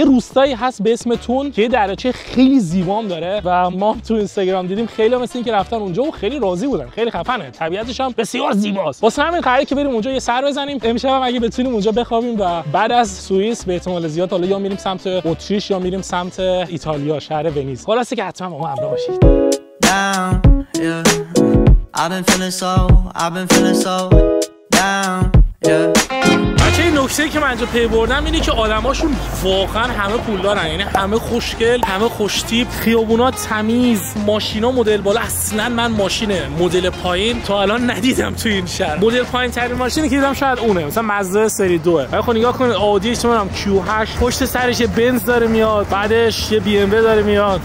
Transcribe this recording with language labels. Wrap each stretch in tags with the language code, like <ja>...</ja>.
<fa>یه روستایی هست به اسم تون که یه دریاچه خیلی زیبام داره و ما تو اینستاگرام دیدیم خیلی‌ها مثل اینکه رفتن اونجا و خیلی راضی بودن، خیلی خفنه، طبیعتش هم بسیار زیباست. واسه همین قراره که بریم اونجا یه سر بزنیم. امشب هم اگه بتونیم اونجا بخوابیم و بعد از سوئیس به احتمال زیاد حالا یا میریم سمت اتریش یا میریم سمت ایتالیا، شهر ونیز. خلاصه که حتما با ما همراه باشید.</fa> <en>I've been feeling so down, yeah.</en> <fa>نکته که من اینجا پی بردم اینه که آدماشون واقعا همه پول دارن، یعنی همه خوشگل، همه خوشتیپ، خیابونا تمیز، ماشینا مدل بالا. اصلا من ماشین مدل پایین تا الان ندیدم تو این شهر. مدل پایین ترین ماشینی که دیدم شاید اونه، مثلا مزده سری 2ه. ولی خب نگاه کنید آدی چمنم Q8، پشت سرش یه بنز داره میاد، بعدش یه بی ام و داره میاد.</fa>